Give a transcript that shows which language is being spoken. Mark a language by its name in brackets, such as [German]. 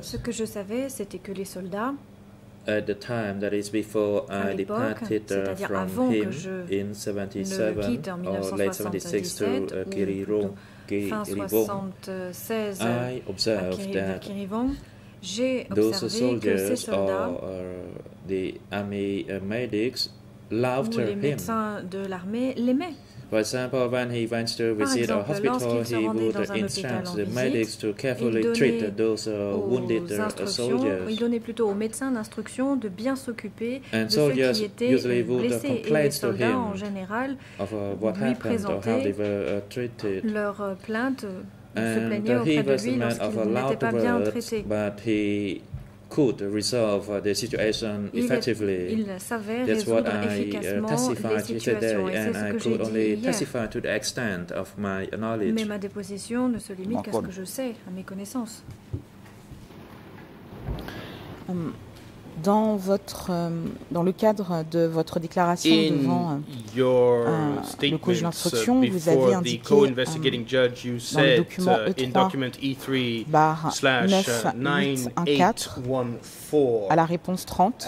[French] Ce que je savais, c'était que les soldats. [English] At the time, that is before I departed from him in 77 or late 76 to Kirirom. I observed that those soldiers or the army medics loved him. [French] De l'armée l'aimaient. [English] For example, when he went to visit a hospital, he would instruct the medics to carefully treat those wounded soldiers. [French] Il donnait plutôt aux médecins l'instruction de bien s'occuper de ceux qui étaient blessés. Et les soldats, en général, lui présentaient leurs plaintes, se plaignaient auprès de lui lorsqu'ils n'étaient pas bien traités. [English] Could resolve the situation effectively. That's what I testified today, and I could only testify to the extent of my knowledge. [French] Mais ma déposition ne se limite qu'à ce que je sais, à mes connaissances. Dans votre dans le cadre de votre déclaration [English] in [French] devant le juge d'instruction, vous avez indiqué dans le document E3/9814 à la réponse 30,